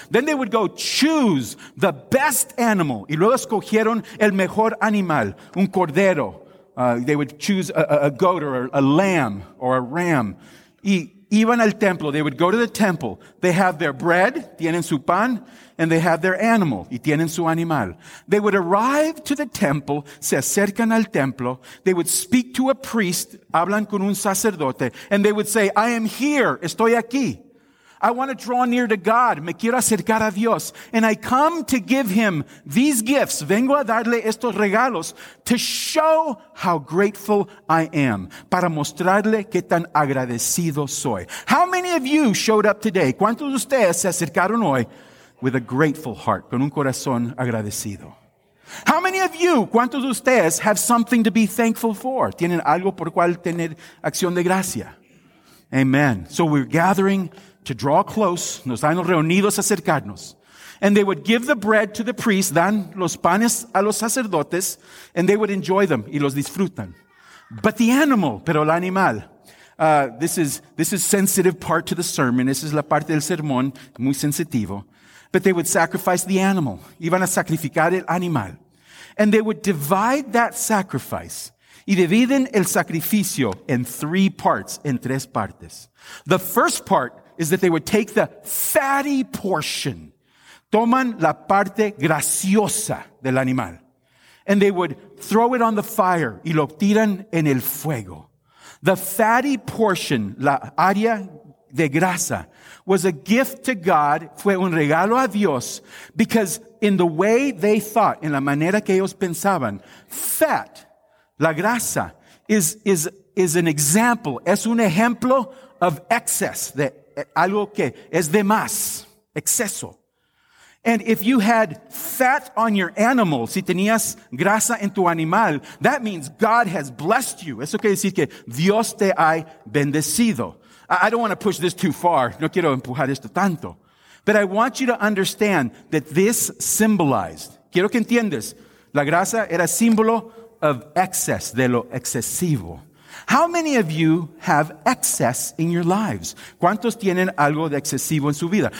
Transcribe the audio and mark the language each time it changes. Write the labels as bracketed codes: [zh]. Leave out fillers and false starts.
[en] Then they would go choose the best animal. [es] Y luego escogieron el mejor animal, un cordero. [en] They would choose a goat or a lamb or a ram. [es] Y iban al templo. [en] They would go to the temple. They have their bread, [es] tienen su pan, [en] and they have their animal, [es] y tienen su animal. [en] They would arrive to the temple, [es] se acercan al templo, [en] they would speak to a priest, [es] hablan con un sacerdote, [en] and they would say, I am here, [es] estoy aquí. [en] I want to draw near to God, [es] me quiero acercar a Dios, [en] and I come to give him these gifts, [es] vengo a darle estos regalos, [en] to show how grateful I am, [es] para mostrarle que tan agradecido soy. [en] How many of you showed up today? [es] ¿Cuántos de ustedes se acercaron hoy? [en] With a grateful heart, [es] con un corazón agradecido. [en] How many of you, [es] cuántos de ustedes, [en] have something to be thankful for? [es] ¿Tienen algo por cual tener acción de gracia? [en] Amen. So we're gathering to draw close. [es] Nos han reunidos a acercarnos. [en] And they would give the bread to the priest, [es] dan los panes a los sacerdotes, [en] and they would enjoy them, [es] y los disfrutan. [en] But the animal, [es] pero el animal, [en] this is sensitive part to the sermon. This is [es] la parte del sermón, muy sensitivo. [en] But they would sacrifice the animal. [es] Iban a sacrificar el animal. [en] And they would divide that sacrifice. [es] Y dividen el sacrificio en [en] three parts, [es] en tres partes. [en] The first part is that they would take the fatty portion. [es] Toman la parte grasosa del animal. [en] And they would throw it on the fire. [es] Y lo tiran en el fuego. [en] The fatty portion, [es] la área de grasa, [en] was a gift to God, [es] fue un regalo a Dios, [en] because in the way they thought, [es] en la manera que ellos pensaban, fat, la grasa, [en] is an example, [es] es un ejemplo [en] of excess, [es] de algo que es de más, exceso. [en] And if you had fat on your animal, [es] si tenías grasa en tu animal, [en] that means God has blessed you. [es] Eso quiere decir que Dios te ha bendecido. [en] I don't want to push this too far. [es] No quiero empujar esto tanto. [en] But I want you to understand that this symbolized. [es] Quiero que entiendas. La grasa era símbolo [en] of excess, [es] de lo excesivo. [en] How many of you have excess in your lives? [es] ¿Cuántos tienen algo de excesivo en su vida?